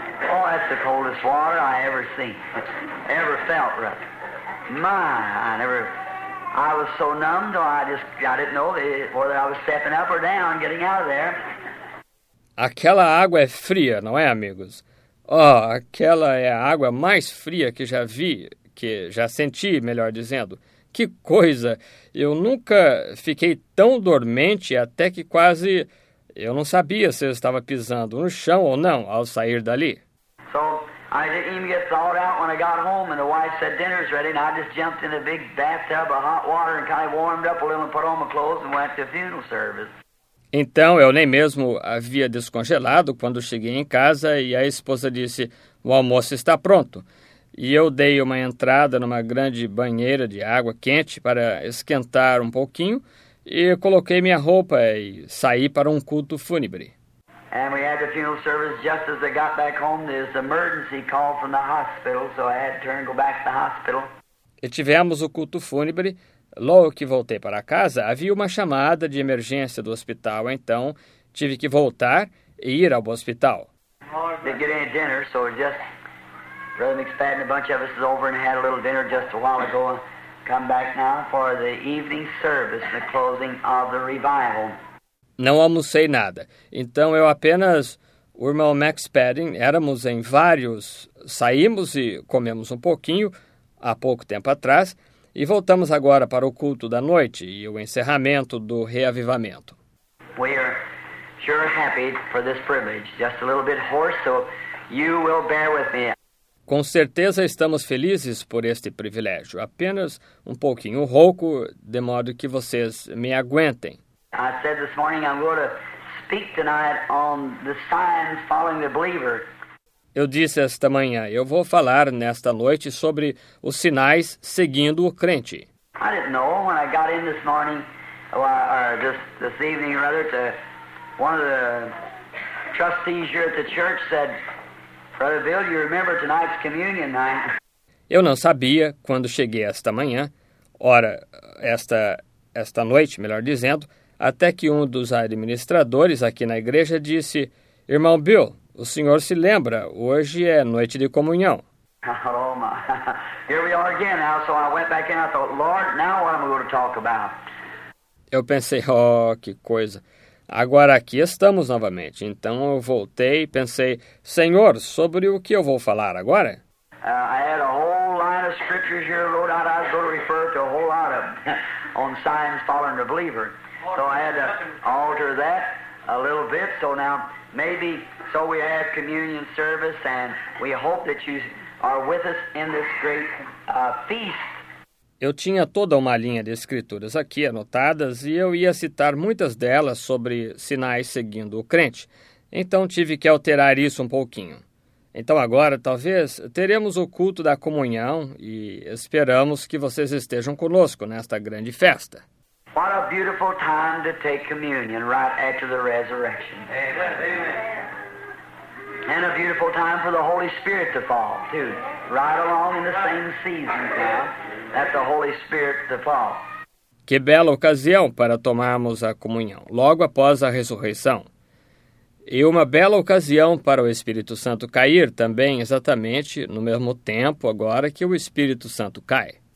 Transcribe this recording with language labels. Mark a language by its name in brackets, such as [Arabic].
[English] Oh, that's the coldest water I ever seen. Ever felt, right? My, I was so numb, though I didn't know whether I was stepping up or down, getting out of there. [Portuguese] Aquela água é fria, não é, amigos? Oh, aquela é a água mais fria que já vi, que já senti, melhor dizendo. Que coisa! Eu nunca fiquei tão dormente até que quase eu não sabia se eu estava pisando no chão ou não ao sair dali. [English] So, I didn't even get thawed out when I got home and the wife said dinner's ready and I just jumped in a big bathtub of hot water and kind of warmed up a little and put on my clothes and went to the funeral service. [Portuguese] Então, eu nem mesmo havia descongelado quando cheguei em casa e a esposa disse, o almoço está pronto. E eu dei uma entrada numa grande banheira de água quente para esquentar um pouquinho e coloquei minha roupa e saí para um culto fúnebre. [English] And we had the funeral service just as I got back home. There's an emergency call from the hospital, so I had to turn and go back to the hospital. [Portuguese] E tivemos o culto fúnebre. Logo que voltei para casa, havia uma chamada de emergência do hospital, então tive que voltar e ir ao hospital. [English] Didn't get any dinner, so just Brother McFadden, a bunch of us is over and had a little dinner just a while ago. Come back now for the evening service, the closing of the revival. [Portuguese] Não almocei nada, então eu apenas, o irmão Max Padding, éramos em vários, saímos e comemos um pouquinho há pouco tempo atrás e voltamos agora para o culto da noite e o encerramento do reavivamento. [English] We are sure happy for this privilege, just a little bit hoarse, so you will bear with me. [Portuguese] Com certeza estamos felizes por este privilégio, apenas um pouquinho rouco, de modo que vocês me aguentem. [English] I said this morning I'm going to speak tonight on the signs following the believer. [Portuguese] Eu disse esta manhã, eu vou falar nesta noite sobre os sinais seguindo o crente. [English] I didn't know when I got in this morning, or this evening rather, to one of the trustees here at the church said, Brother Bill, you remember tonight's communion night? [Portuguese] Eu não sabia quando cheguei esta manhã, ora, esta noite, melhor dizendo, até que um dos administradores aqui na igreja disse, Irmão Bill, o senhor se lembra, hoje é noite de comunhão. [English] Oh, my. Here we are again now. So I went back in and I thought, Lord, now what am I going to talk about? [Portuguese] Eu pensei, oh, que coisa. Agora aqui estamos novamente. Então eu voltei e pensei, Senhor, sobre o que eu vou falar agora? [English] I had a whole line of scriptures here wrote out. I was going to refer to a whole lot of on signs following the believer. So I had to alter that a little bit. So now maybe, so we have communion service and we hope that you are with us in this great feast. [Portuguese] Eu tinha toda uma linha de escrituras aqui anotadas e eu ia citar muitas delas sobre sinais seguindo o crente, então tive que alterar isso um pouquinho. Então agora, talvez, teremos o culto da comunhão e esperamos que vocês estejam conosco nesta grande festa. [English] What a beautiful time to take communion right after the resurrection. Amen. And a beautiful time for the Holy Spirit to fall, too. Right along in the same season, too. That's the Holy Spirit to fall. [Portuguese] Que bela ocasião para tomarmos a comunhão, logo após a ressurreição. E uma bela ocasião para o Espírito Santo cair também, exatamente no mesmo tempo agora que o Espírito Santo cai.